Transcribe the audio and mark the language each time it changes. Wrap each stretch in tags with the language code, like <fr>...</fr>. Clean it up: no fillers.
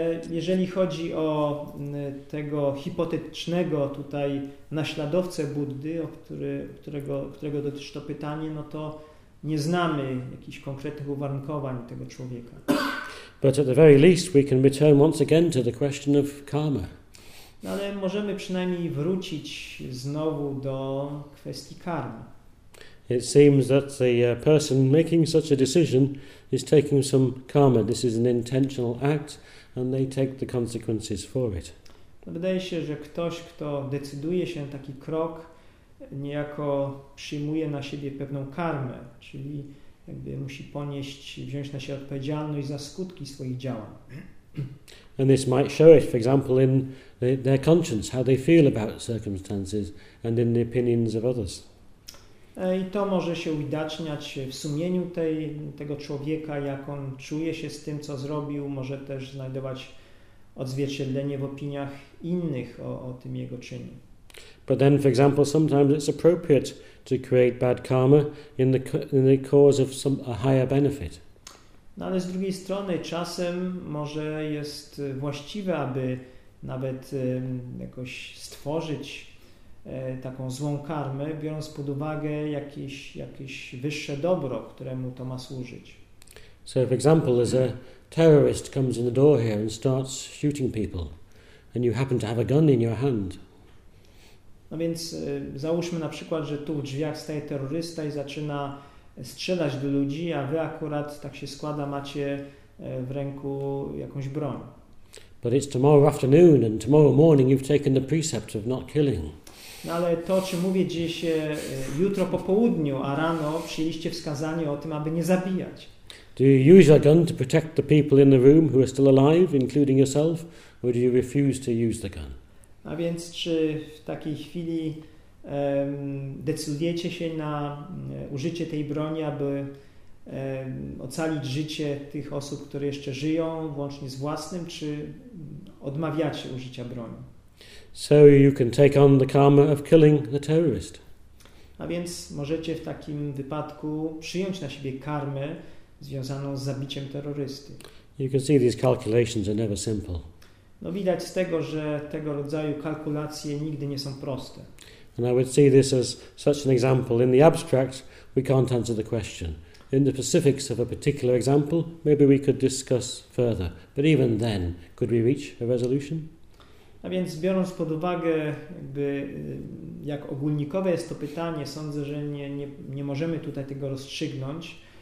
<pl>Jeżeli chodzi o tego hipotetycznego tutaj naśladowcę Buddy, którego dotyczy to pytanie, no to nie znamy jakichś konkretnych uwarunkowań tego człowieka.</pl> <en>But at the very least we can return once again to the question of karma.</en> <pl>No, ale możemy przynajmniej wrócić znowu do kwestii karmy.</pl> <en>It seems that the person making such a decision is taking some karma. This is an intentional act and they take the consequences for it.</en> <pl>No, wydaje się, że ktoś, kto decyduje się na taki krok, niejako przyjmuje na siebie pewną karmę, czyli jakby musi ponieść, wziąć na siebie odpowiedzialność za skutki swoich działań.</pl> <en>And this might show it, for example, in their conscience, how they feel about circumstances and in the opinions of others.</en> <pl>I to może się uwidaczniać w sumieniu tego człowieka, jak on czuje się z tym, co zrobił, może też znajdować odzwierciedlenie w opiniach innych o tym jego czynie.</pl> <en>But then, for example, sometimes it's appropriate to create bad karma in the cause of a higher benefit.</en> <pl>No, ale z drugiej strony czasem może jest właściwe, aby nawet jakoś stworzyć taką złą karmę, biorąc pod uwagę jakieś wyższe dobro, któremu to ma służyć.</pl> <en>So, for example, there's a terrorist comes in the door here and starts shooting people, and you happen to have a gun in your hand.</en> <pl>No więc załóżmy na przykład, że tu w drzwiach staje terrorysta i zaczyna strzelać do ludzi, a wy akurat, tak się składa, macie w ręku jakąś broń.</pl> <en>But it's tomorrow afternoon and tomorrow morning you've taken the precept of not killing.</en> <pl>No ale to, o czym mówię, dzieje się jutro po południu, a rano przyjęliście wskazanie o tym, aby nie zabijać.</pl> <en>Do you use your gun to protect the people in the room who are still alive, including yourself, or do you refuse to use the gun?</en> <pl>A więc czy w takiej chwili decydujecie się na użycie tej broni, aby ocalić życie tych osób, które jeszcze żyją, włącznie z własnym, czy odmawiacie użycia broni?</pl> <en>So you can take on the karma of killing the terrorist.</en> <pl>A więc możecie w takim wypadku przyjąć na siebie karmę związaną z zabiciem terrorysty.</pl> <en>You can see these calculations are never simple.</en> <pl>No widać z tego, że tego rodzaju kalkulacje nigdy nie są proste.</pl> <en>And I would see this as such an example. In the abstract, we can't answer the question. In the specifics of a particular example, maybe we could discuss further. But even then, could we reach a resolution?</en> <pl>A więc biorąc pod uwagę, jakby, jak ogólnikowe jest to pytanie, sądzę, że nie możemy tutaj tego rozstrzygnąć.</pl>